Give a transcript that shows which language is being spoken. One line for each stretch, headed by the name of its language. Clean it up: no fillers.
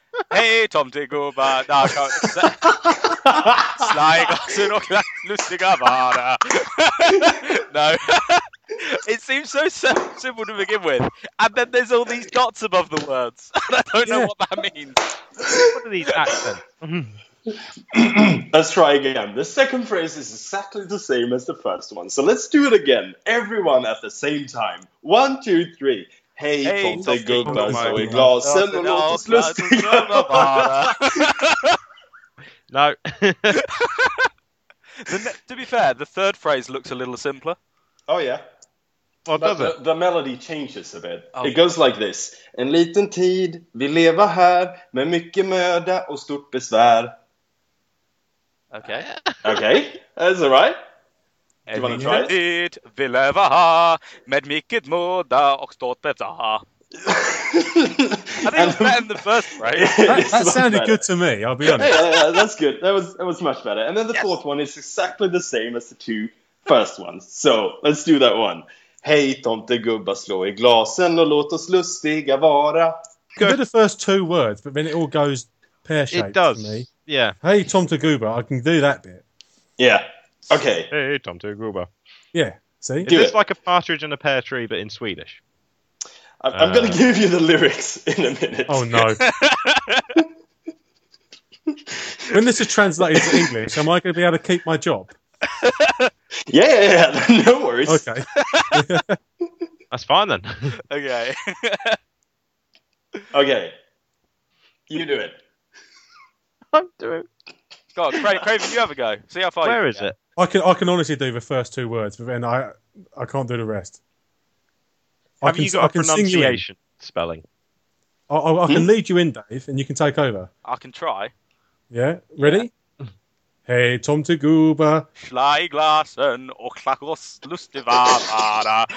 Swedish: Hej, tomte gubba, slå i glasen och låt oss lustiga vara.
English: No. It seems so simple to begin with. And then there's all these dots above the words. And I don't know what that means. What are these accents? Let's try again. The second phrase is exactly the same as the first one. So let's do it again. Everyone at the same time. One, two, three.
Swedish: Hey, tomte gubba, slå i glasen och låt oss lustiga vara.
English: No. To be fair, the third phrase looks a little simpler. Oh, yeah. Well, does it? The melody changes a bit. Oh. It goes like this.
Swedish: En liten tid, vi lever här, med mycket möda och stort besvär.
English: Okay. Okay, that's all right. Do you want to try it? En liten tid, vi lever här, med mycket möda och stort besvär. I think it's better than the first phrase. That sounded better. Good to me, I'll be honest. Yeah, that's good. That was much better. And then the fourth one is exactly the same as the two first ones. So let's do that one.
Swedish: Hey, tomte gubba, slå i glasen och låt oss lustiga vara.
English: You do the first two words, but then it all goes pear-shaped for me. Yeah. Hey, tomte gubba, I can do that bit. Yeah. Okay.
Swedish: Hey, tomte gubba.
English: Yeah. See? Do it's like a partridge and a pear tree, but in Swedish. I'm going to give you the lyrics in a minute. Oh, no. When this is translated to English, am I going to be able to keep my job? Yeah, no worries. Okay. That's fine then. Okay. Okay. You do it. I'm doing it. Go on, Craven, you have a go. See how far Where you is get. It? I can honestly do the first two words, but then I can't do the rest. Have you got a pronunciation spelling? I can lead you in, Dave, and you can take over. I can try. Yeah? Ready? Yeah. Hey, tomte gubba.
Swedish: Schlei glasen och klack oss lustiva vara.